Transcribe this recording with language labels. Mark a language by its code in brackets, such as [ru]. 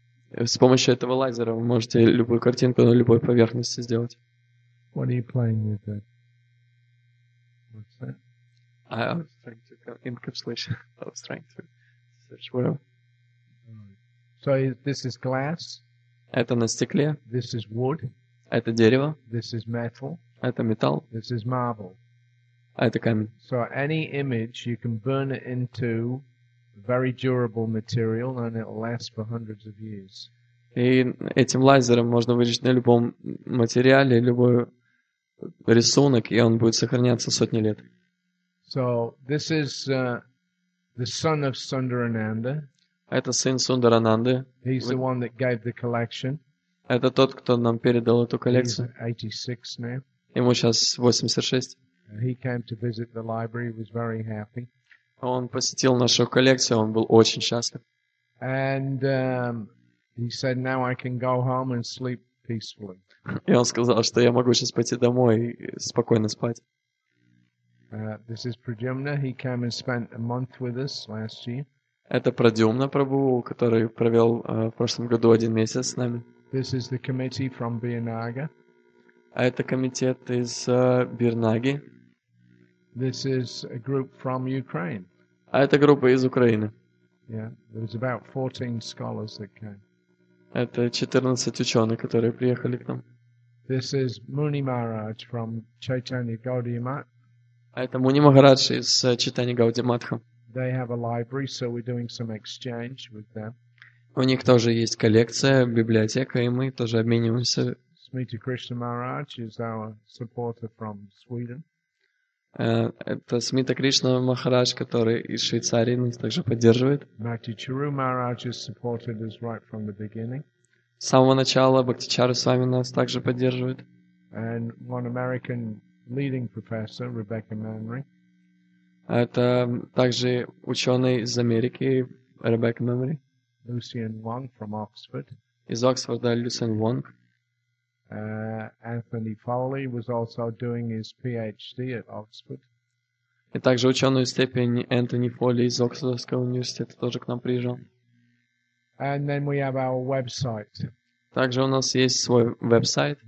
[ru] С помощью этого лазера вы можете любую картинку на любой поверхности сделать. [en] What are you playing with that? What's that? I was trying to encapsulation. I was trying to search whatever. So this is glass. [ru] Это на стекле. [en] This is wood. [ru] Это дерево. [en] This is metal. [ru] Это металл. [en] This is marble. [ru] А это камень. [en] So any image you can burn it into very durable material and it lasts for hundreds of years. [ru] И этим лазером можно вырезать на любом материале любой рисунок, и он будет сохраняться сотни лет. [en] So this is the son of Sundarananda. [ru] Это сын Сундарананды. [en] He's the one that gave the collection. [ru] Это тот, кто нам передал эту коллекцию. [en] He's 86 now. [ru] Ему сейчас 86. [en] He came to visit the library. He was very happy. [ru] Он посетил нашу коллекцию. Он был очень счастлив. [en] And he said, "Now I can go home and sleep peacefully." [ru] И он сказал, что я могу сейчас пойти домой и спокойно спать. [en] This is Pradyumna. He came and spent a month with us last year. [ru] Это Прадюмна Прабу, который провел в прошлом году один месяц с нами. [en] This is the committee from Birnaga. [ru] А это комитет из Бирнаги. [en] This is a group from Ukraine. [ru] А это группа из Украины. [en] Yeah, there was about 14 scholars that came. [ru] Это 14 ученых, которые приехали к нам. [en] This is Muni Maharaj from Chaitanya Gaudiya Math. [ru] А это Муни Махарадж из Чайтанья Гауди Матха. [en] They have a library, so we're doing some exchange with them. [ru] У них тоже есть коллекция, библиотека, и мы тоже обмениваемся. [en] Smita Krishna Maharaj is our supporter from Sweden. [ru] Это Смита Кришна Махарадж, который из Швейцарии нас также поддерживает. [en] Bhakti Charu Maharaj has supported us right from the beginning. [ru] С самого начала Бхакти Чару с вами нас также поддерживает. [en] And one American leading professor, Rebecca Manry. [ru] Это также ученый из Америки, Ребекка Мемори. [en] Lucien Wang from Oxford. [ru] Из Оксфорда, Lucien Wang. [en] Anthony Foley was also doing his PhD at Oxford. [ru] И также ученую степень Энтони Фолли из Оксфордского университета тоже к нам приезжал. [en] And then we have our website. [ru] Также у нас есть свой веб-сайт.